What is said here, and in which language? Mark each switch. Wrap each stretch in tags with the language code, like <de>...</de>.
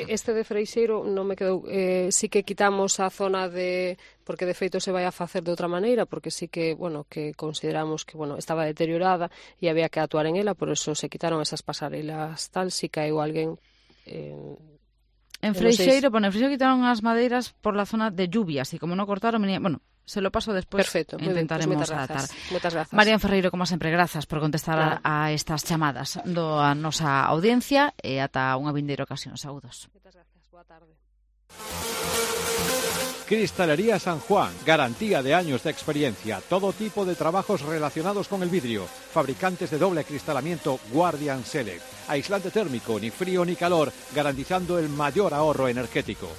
<gl>Sí, este de Freixeiro non me quedou, sí que quitamos a zona de, porque de feito se vai a facer de outra maneira, porque sí que, bueno, que consideramos que, bueno, estaba deteriorada e había que actuar en ela, por eso se quitaron esas pasarelas tal, si caeu alguén... En Freixeiro, bueno, en Freixeiro quitaron as madeiras por la zona de lluvias e como non cortaron, bueno,</gl> <es>se lo paso después. Perfecto, intentaremos muy bien, pues adaptar. Muchas gracias.</es> <gl>Marian Ferreiro, como sempre, grazas por contestar a estas chamadas do a nosa audiencia e ata unha vindeira ocasión. Saúdos.</gl> <es>Muchas gracias,</es> <gl>boa tarde.</gl> <es>Cristalería San Juan, garantía de años de experiencia, todo tipo de trabajos relacionados con el vidrio, fabricantes de doble acristalamiento Guardian Select, aislante térmico, ni frío ni calor, garantizando el mayor ahorro energético.</es>